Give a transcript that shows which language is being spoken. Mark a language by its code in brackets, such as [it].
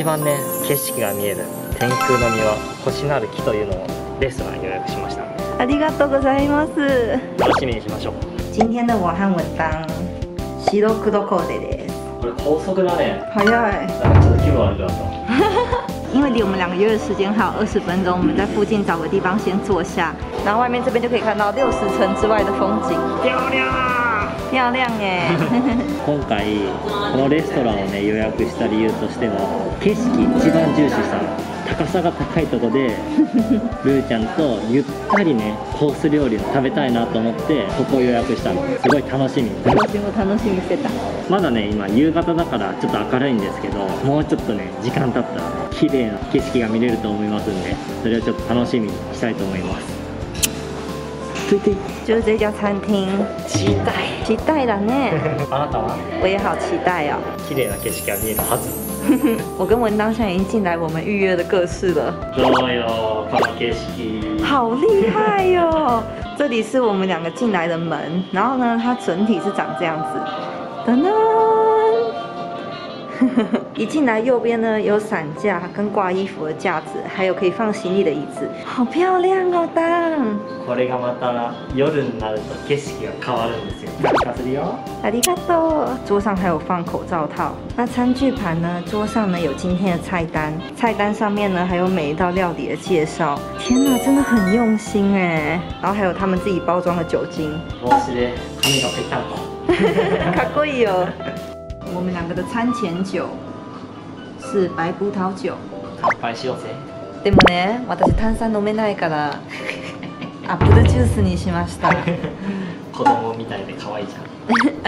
[ja] 一番ね、景色が見える天空の庭、星なる木というのをレストランに予約しました。ありがとうございます。楽しみにしましょう。 [zh] 今天的晚餐晚餐， [ja] 白黒コーデです。これ高速だね。早い。ちょっと気分悪くなった。 [zh] 因为离我们两个约的时间还有20分钟，我们在附近找个地方先坐下，然后外面这边就可以看到60层之外的风景。漂亮啊！漂亮耶！ [ja] 今回このレストランをね予約した理由としては、景色一番重視した。高さが高いところで、ルーちゃんとゆったりねコース料理を食べたいなと思ってここを予約したの。すごい楽しみ。私も楽しみしてた。まだね今夕方だからちょっと明るいんですけど、もうちょっとね時間経ったら、ね、綺麗な景色が見れると思いますんで、それをちょっと楽しみにしたいと思います。 [zh] 就是这家餐厅，期待期待的呢。 [ja] あなたは？ [zh] 我也好期待哦。 [ja] 綺麗な景色が見えるはず。 [zh] 我跟文当现在已经进来我们预约的各室了。 [ja] どうよこの景色。 [zh] 好厉害哟！这里是我们两个进来的门，然后呢，它整体是长这样子。噔噔，一进来右边呢有伞架跟挂衣服的架子，还有可以放行李的椅子，好漂亮哦！当， [ja] これがまた夜になると景色が変わるんですよ。かすりよ。ありがとう。 [zh] 桌上还有放口罩套。那餐具盘呢？桌上呢有今天的菜单，菜单上面呢还有每一道料理的介绍。天哪，真的很用心哎。然后还有他们自己包装的酒精。 [ja] 帽子で髪がぺったんこ。かっこいいよ。 [zh] 我们两个的餐前酒是白葡萄酒。 [ja] 乾杯しようぜ。でもね、私炭酸飲めないからアップルジュースにしました。子供みたいで可愛いじゃん。